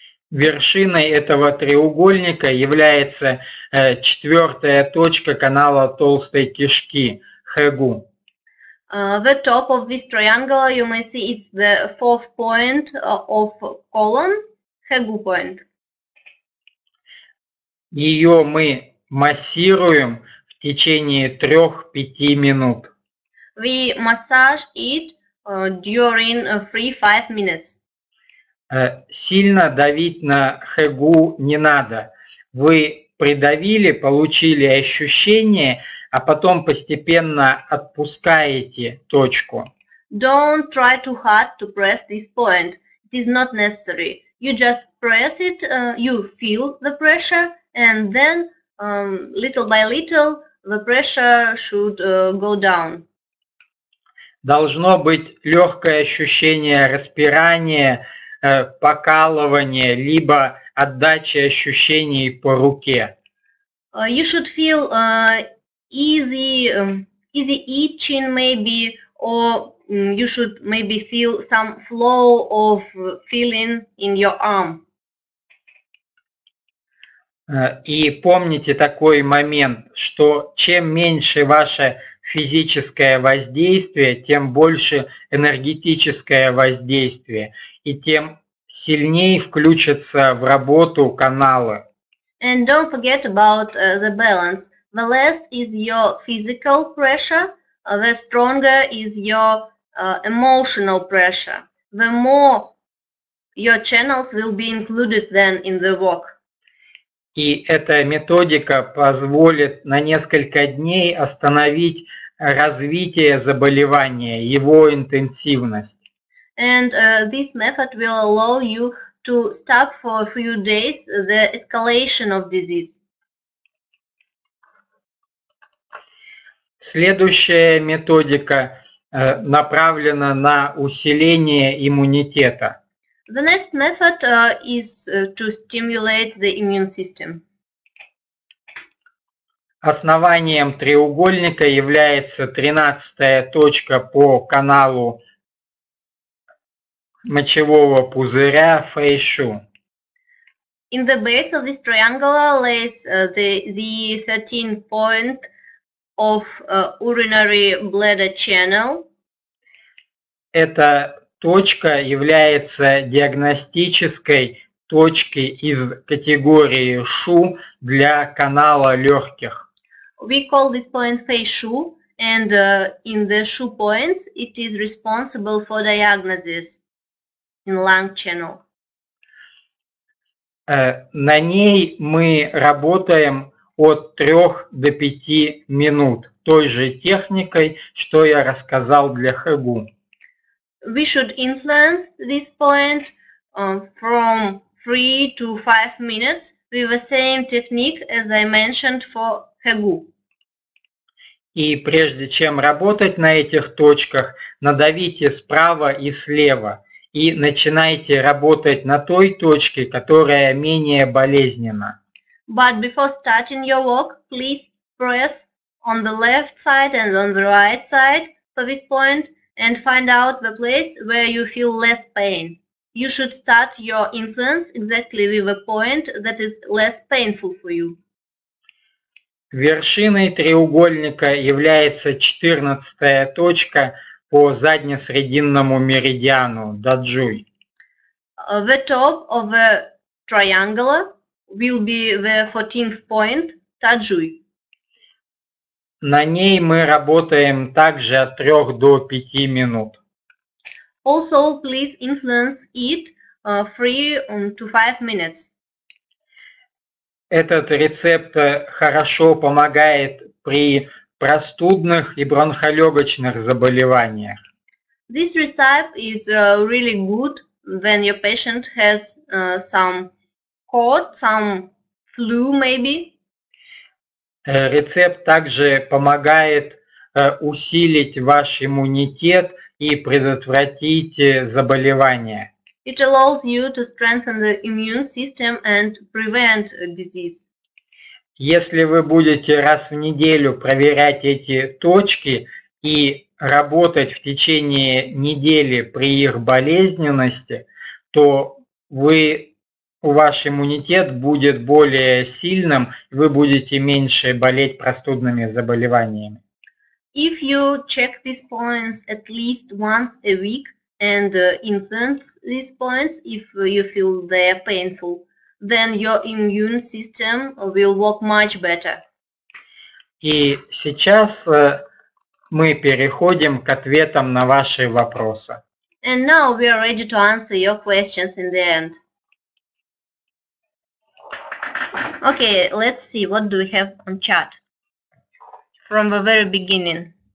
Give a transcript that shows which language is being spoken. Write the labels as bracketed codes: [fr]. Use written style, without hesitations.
[ru] Вершиной этого треугольника является четвертая точка канала толстой кишки, хэгу. [en] The top of this triangle, you may see, it's the fourth point of colon, хэгу point. [ru] Ее мы массируем в течение 3-5 минут. [en] We massage it during 3-5 minutes. [ru] Сильно давить на хэгу не надо. Вы придавили, получили ощущение, а потом постепенно отпускаете точку. [en] Don't try too hard to press this point. It is not necessary. You just press it, you feel the pressure, and then little by little the pressure should go down. [ru] Должно быть легкое ощущение распирания, покалывания, либо отдачи ощущений по руке. [en] You should feel easy itching maybe, or you should maybe feel some flow of feeling in your arm. [ru] И помните такой момент, что чем меньше ваше физическое воздействие, тем больше энергетическое воздействие, и тем сильнее включатся в работу каналы. [en] And don't forget about the balance. The less is your physical pressure, the stronger is your emotional pressure. The more your channels will be included then in the work. [ru] И эта методика позволит на несколько дней остановить развитие заболевания, его интенсивность. [en] And this method will allow you to stop for a few days the escalation of disease. [ru] Следующая методика направлена на усиление иммунитета. [en] The next method is to stimulate the immune system. [ru] Основанием треугольника является 13-я точка по каналу мочевого пузыря, фэйшу. [en] In the base of this triangle lays the 13th point of urinary bladder channel. [ru] Эта точка является диагностической точкой из категории шу для канала легких. [en] We call this point фэйшу, and in the шу points it is responsible for diagnosis in lung channel. [ru] На ней мы работаем от 3 до 5 минут той же техникой, что я рассказал для хэгу. [en] We should influence this point from 3 to 5 minutes with the same technique as I mentioned for хэгу. [ru] И прежде чем работать на этих точках, надавите справа и слева. и начинайте работать на той точке, которая менее болезненна. [en] But before starting your work, please press on the left side and on the right side for this point and find out the place where you feel less pain. You should start your influence exactly with a point that is less painful for you. [ru] Вершиной треугольника является 14-я точка по заднесрединному меридиану, даджуй. [en] The top of the triangular will be the 14th point, таджуй. [ru] На ней мы работаем также от 3 до 5 минут. [en] Also, please influence it 3 to 5 minutes. [ru] Этот рецепт хорошо помогает при простудных и бронхолегочных заболеваниях. [en] This recipe is really good when your patient has some cold, some flu maybe. [ru] Рецепт также помогает усилить ваш иммунитет и предотвратить заболевания. [en] It allows you to strengthen the immune system and prevent disease. [ru] Если вы будете раз в неделю проверять эти точки и работать в течение недели при их болезненности, то ваш иммунитет будет более сильным, вы будете меньше болеть простудными заболеваниями. [en] If you check these points at least once a week and influence these points, if you feel they are painful, then your immune system will work much better. [ru] И сейчас мы переходим к ответам на ваши вопросы. [en] And now we are ready to answer your questions in the end. Okay, let's see, what do we have on chat from the very beginning.